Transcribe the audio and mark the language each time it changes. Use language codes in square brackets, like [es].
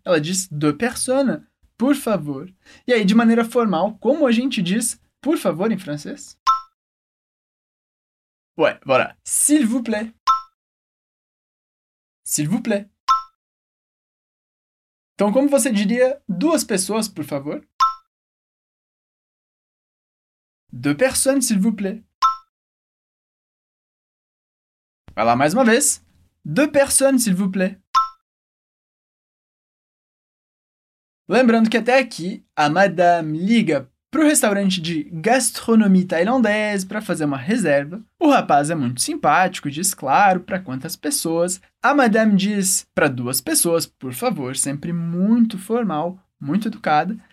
[pt] Ela diz [fr] deux personnes. [pt] Por favor. E aí, de maneira formal, como a gente diz por favor em francês? Ué, bora. [fr] S'il vous plaît. S'il vous plaît. [pt] Então, como você diria duas pessoas, por favor? [fr] Deux personnes, s'il vous plaît. [pt] Vai lá mais uma vez. [fr] Deux personnes, s'il vous plaît. [pt] Lembrando que até aqui, a madame liga para o restaurante de gastronomia tailandesa para fazer uma reserva. O rapaz é muito simpático, diz claro para quantas pessoas. A madame diz para duas pessoas, por favor, sempre muito formal, muito educada.